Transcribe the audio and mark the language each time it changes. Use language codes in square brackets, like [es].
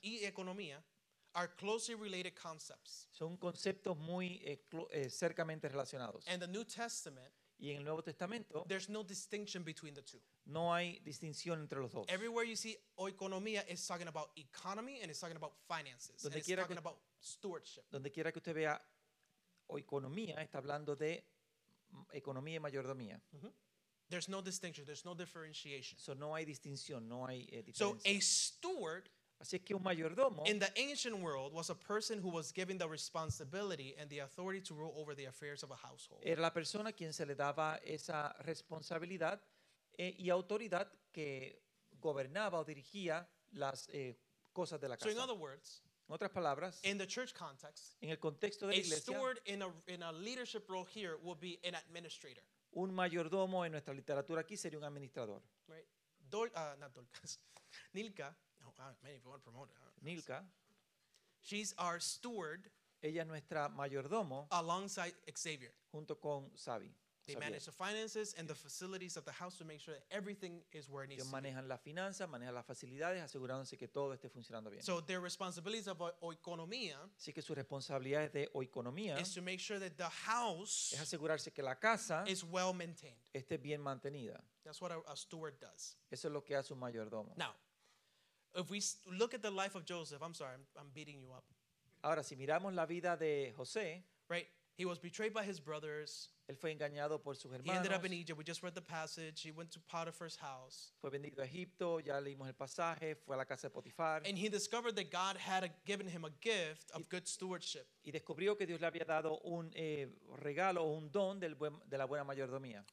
[en] y economía, are closely related concepts. [es] Son conceptos muy cercamente relacionados. [en] And the New Testament, [es] y en el Nuevo Testamento, [en] there's no distinction between the two. [es] No hay distinción entre los dos. [en] Everywhere you see oikonomía, it's talking about economy and it's talking about finances. [es] Donde [en] and it's talking about stewardship. [es] Donde quiera que usted vea oikonomía, está hablando de economía y mayordomía. [en] Mm-hmm. There's no distinction. There's no differentiation. [es] So no hay distinción. No hay diferencia. [en] So a steward, [es] así es que un mayordomo, [en] in the ancient world was a person who was given the responsibility and the authority to rule over the affairs of a household. [es] Era la persona quien se le daba esa responsabilidad y autoridad que gobernaba o dirigía las cosas de la casa. [en] So in other words, [es] en otras palabras, [en] in the church context, [es] en el contexto de la iglesia, [en] a steward in a leadership role here will be an administrator. [es] Un mayordomo en nuestra literatura aquí sería un administrador. [en] Right. Dorcas. Nilka. Oh, many people want to promote it. Nilka. She's our steward. [es] Ella es nuestra mayordomo. [en] Alongside Xavier. [es] Junto con Xavi. [en] They manage the finances and the facilities of the house to make sure that everything is where it needs to be. [es] Manejan las finanzas, manejan las facilidades, asegurándose que todo esté funcionando bien. [en] So their responsibilities of oikonomía. [es] Así que sus responsabilidades de oikonomía. [en] Is to make sure that the house. [es] Es asegurarse que la casa. [en] Is well maintained. [es] Esté bien mantenida. [en] That's what a steward does. [es] Eso es lo que hace un mayordomo. [en] Now, if we look at the life of Joseph, I'm sorry, I'm beating you up. [es] Ahora, si miramos la vida de José. [en] Right. He was betrayed by his brothers. [es] Él fue engañado por sus hermanos. [en] He ended up in Egypt. We just read the passage. He went to Potiphar's house. [es] Fue vendido a Egipto. Ya leímos el pasaje. Fue a la casa de Potifar. [en] And he discovered that God had given him a gift of good stewardship. [es] Y descubrió que Dios le había dado un regalo o un don del buen, de la buena mayordomía.